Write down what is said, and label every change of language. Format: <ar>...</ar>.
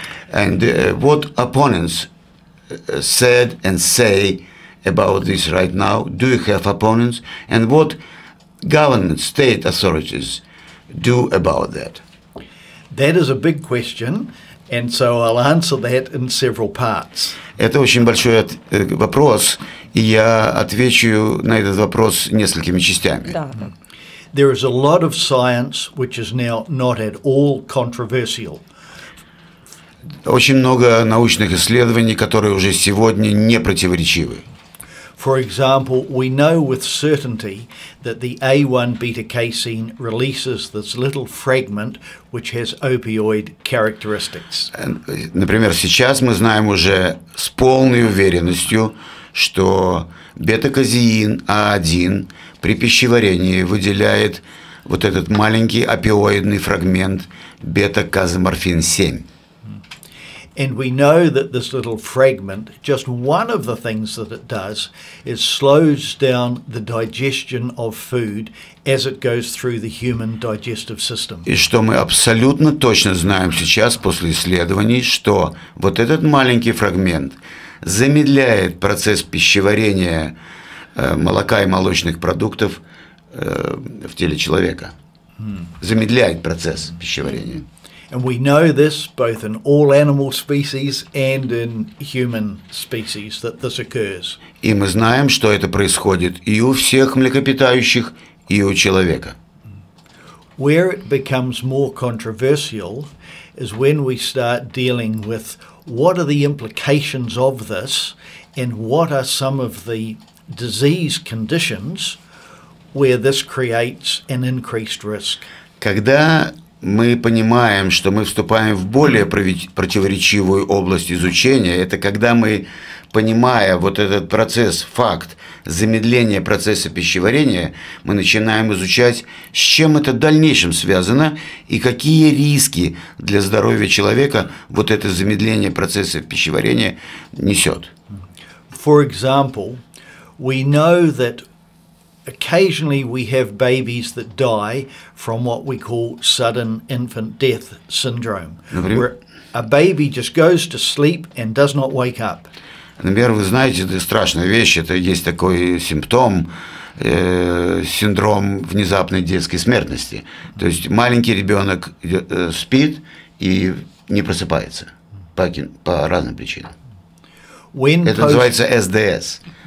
<en>And what opponents said and say about this right now? Do you have opponents? And what government, state authorities do about that? That is a big question. And so I'll answer that in several parts.</en> <ru>Это очень большой вопрос, и я отвечу на этот вопрос несколькими частями. Да.</ru> <en>There is a lot of science which is now not at all controversial.</en> <ru>Очень много научных исследований, которые уже сегодня не противоречивы.</ru> <en>For example, we know with certainty that the A1 beta casein releases this little fragment which has opioid characteristics.</en> <ru>Например, сейчас мы знаем уже с полной уверенностью, что бета-казеин А1 при пищеварении выделяет вот этот маленький опиоидный фрагмент бета-каземорфин 7.</ru> <en>And we know that this little fragment, just one of the things that it does, is slows down the digestion of food as it goes through the human digestive system.</en> <ru>И что мы абсолютно точно знаем сейчас после исследований, что вот этот маленький фрагмент замедляет процесс пищеварения молока и молочных продуктов в теле человека. Замедляет процесс пищеварения.</ru> <en>And we know this both in all animal species and in human species that this occurs.</en> <ru>И мы знаем, что это происходит и у всех млекопитающих, и у человека.</ru> <en>Where it becomes more controversial is when we start dealing with what are the implications of this and what are some of the disease conditions where this creates an increased risk.</en> <ru>Когда мы понимаем, что мы вступаем в более противоречивую область изучения, это когда мы, понимая вот этот процесс, факт замедления процесса пищеварения, мы начинаем изучать, с чем это в дальнейшем связано и какие риски для здоровья человека вот это замедление процесса пищеварения несет.</ru> <en>For example, we know that occasionally we have babies that die from what we call sudden infant death syndrome, where a baby just goes to sleep and does not wake up.</en> <ru>Например, вы знаете, это страшная вещь, это есть такой симптом, синдром внезапной детской смертности. То есть маленький ребенок спит и не просыпается по разным причинам. Это называется СДС.</ru>